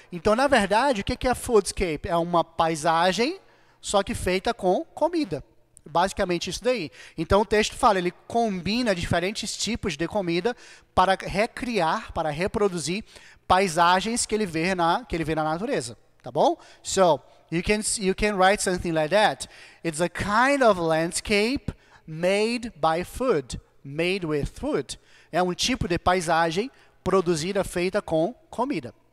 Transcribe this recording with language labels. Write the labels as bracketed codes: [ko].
[pt] Então, na verdade, o que é foodscape? É uma paisagem, só que feita com comida. Basicamente isso daí. Então, o texto fala, ele combina diferentes tipos de comida para recriar, para reproduzir paisagens que ele vê na natureza, tá bom? [en] So, you can write something like that. It's a kind of landscape made by food, made with food. [pt] É um tipo de paisagem produzida, feita com comida.